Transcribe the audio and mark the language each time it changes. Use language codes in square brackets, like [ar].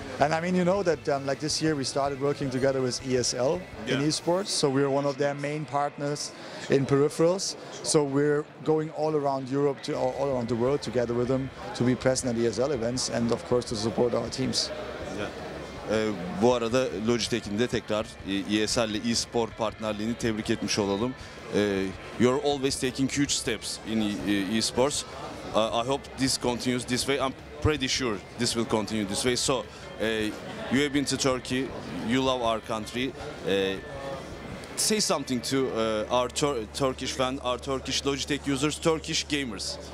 [en] And I mean, you know that like this year we started working together with ESL in esports. So we're one of their main partners in peripherals. So we're going all around Europe to all around the world together with them to be present at ESL events and of course to support our teams. [tr] Bu arada Logitech'in de tekrar ESL ile e-spor partnerliğini tebrik etmiş olalım. [en] You're always taking huge steps in e-sports. I hope this continues this way. I'm pretty sure this will continue this way. So you have been to Turkey. You love our country. Say something to our Turkish fan, our Turkish Logitech users, Turkish gamers.